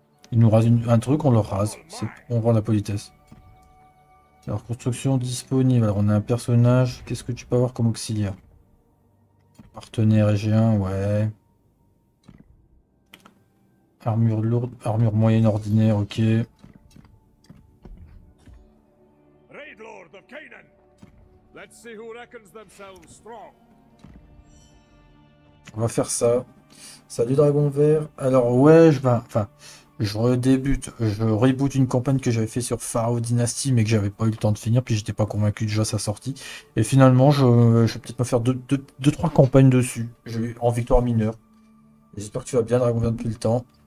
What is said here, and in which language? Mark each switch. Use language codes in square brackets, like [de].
[fr] Il nous rase un truc, on le rase. On rend la politesse. Alors, construction disponible. Alors, on a un personnage. Qu'est-ce que tu peux avoir comme auxiliaire? Partenaire égéen, ouais. Armure lourde, armure moyenne ordinaire, ok. Je [en] Raid Lord of Kanan. Let's see who reckons themselves strong. [fr] On va faire ça. Salut Dragon Vert. Alors ouais, je reboot une campagne que j'avais fait sur Pharaoh Dynasty, mais que j'avais pas eu le temps de finir, puis j'étais pas convaincu de jouer à sa sortie. Et finalement, je vais peut-être me faire deux trois campagnes dessus. Je vais en victoire mineure. Et j'espère que tu vas bien, Dragon Vert, depuis le temps.